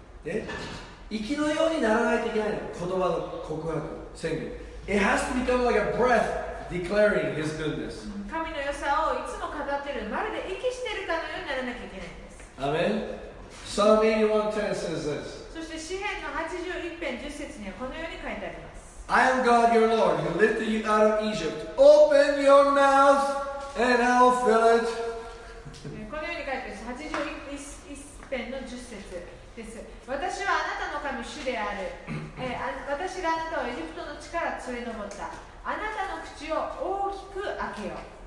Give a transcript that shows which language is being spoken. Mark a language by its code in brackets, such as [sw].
[ja] で、息のようにならないといけないの、言葉の告白、宣言。 [en] It has to become like a breath declaring His goodness。 [ja] 神の良さをいつも語っている、まるで息しているかのようにならなきゃいけないんです。 [en] アメン。Psalm 81:10 says this。 [ja] 詩篇の81編10節にはこのように書いてあります。 [en] I am God your Lord, who lifted you out of Egypt. Open your mouth and I'll fill it. [ja] このように書いてあります。81編の10節です。私はあなたの神主である。私があなたをエジプトの地から連れ上った。あなたの口を大きく開けよう。